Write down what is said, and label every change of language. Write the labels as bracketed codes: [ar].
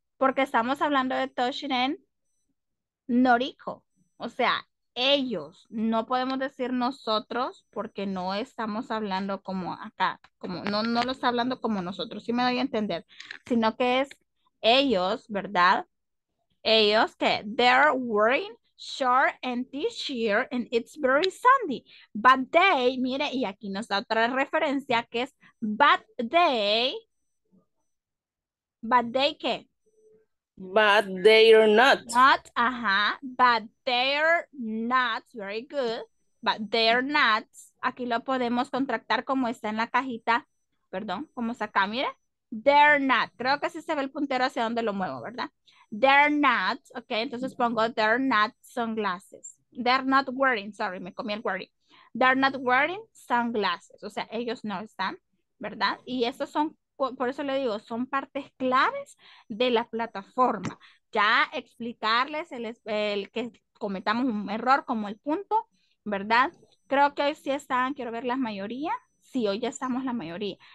[es] Porque estamos hablando de touching en Noriko. O sea, ellos. No podemos decir nosotros porque no estamos hablando como acá. Como, no, no lo está hablando como nosotros, si me doy a entender, sino que es ellos, ¿verdad? Ellos que [en] they're wearing short and t-shirt and it's very sunny. But they, [es] mire, y aquí nos da otra referencia que es [en] but they [es] qué? [en] But they're not. Not, ajá, but they're not, very good, but they're not. [es] Aquí lo podemos contractar como está en la cajita, perdón, como está acá, mire. [en] They're not. [es] Creo que sí se ve el puntero hacia donde lo muevo, ¿verdad? [en] They're not, okay, [es] entonces pongo [en] they're not sunglasses. They're not wearing, sorry, [es] me comí el [en] wearing. They're not wearing sunglasses. [es] O sea, ellos no están, ¿verdad? Y estas son, por eso le digo, son partes claves de la plataforma. Ya explicarles el que cometamos un error como el punto, ¿verdad? Creo que hoy sí están, quiero ver la mayoría. Sí, hoy ya estamos la mayoría.